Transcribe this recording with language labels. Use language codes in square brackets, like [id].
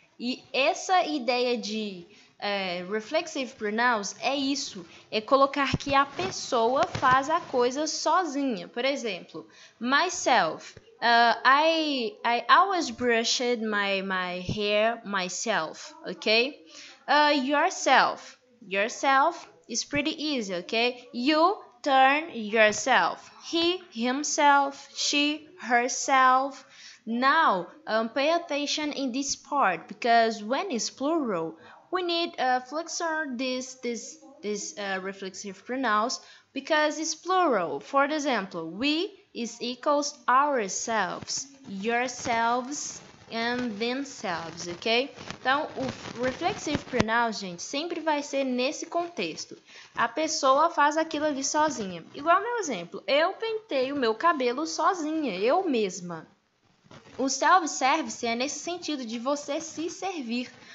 [pt] E essa ideia de reflexive pronouns é isso, é colocar que a pessoa faz a coisa sozinha. Por exemplo, [en] myself, I always brushed my hair myself, ok? Yourself is pretty easy, ok? You turn yourself, he, himself, she, herself. Now, pay attention in this part, because when it's plural, we need to flexor this reflexive pronouns, because it's plural. For example, we, is equals ourselves, yourselves, and themselves, ok? [pt] Então, o reflexive pronoun, gente, sempre vai ser nesse contexto. A pessoa faz aquilo ali sozinha. Igual meu exemplo, eu pentei o meu cabelo sozinha, eu mesma. O self-service é nesse sentido de você se servir.